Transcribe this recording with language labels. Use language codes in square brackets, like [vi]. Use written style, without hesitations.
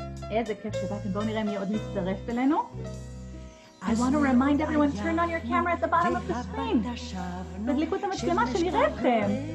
[he] איזה כיף שבאתם, בואו נראה מי עוד מצטרף אלינו. [en] I want to remind everyone, turn on your camera at the bottom of the screen. [he] תדליקו את המצלמה שנראה אתכם.